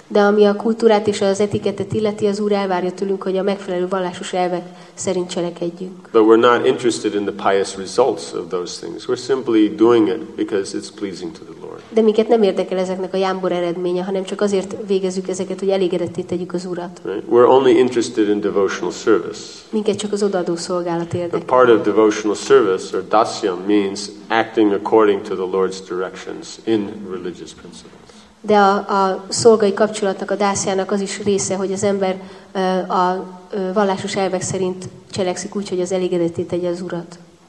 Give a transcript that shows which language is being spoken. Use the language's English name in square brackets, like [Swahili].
[Hungarian] De ami a kultúrát és az etiketet illeti, az Úr elvárja tőlünk, hogy a megfelelő vallásos elvek szerint cselekedjünk. [English] But we're not interested in the pious results of those things. We're simply doing it because it's pleasing to the Lord. [Hungarian] De minket nem érdekel ezeknek a jámbor eredménye, hanem csak azért végezzük ezeket, hogy elégedetté tegyük az Urat. [English] Right? We're only interested in devotional service. [Hungarian] Minket csak az odaadó szolgálat érdekel. [English] But part of devotional service or dasyam means acting according to the Lord's directions in religious principles. [Hungarian] De a szolgai kapcsolatnak, a dásziának az is része, hogy az ember a vallásos elvek szerint cselekszik úgy, hogy az elégedetté tegye az Urat.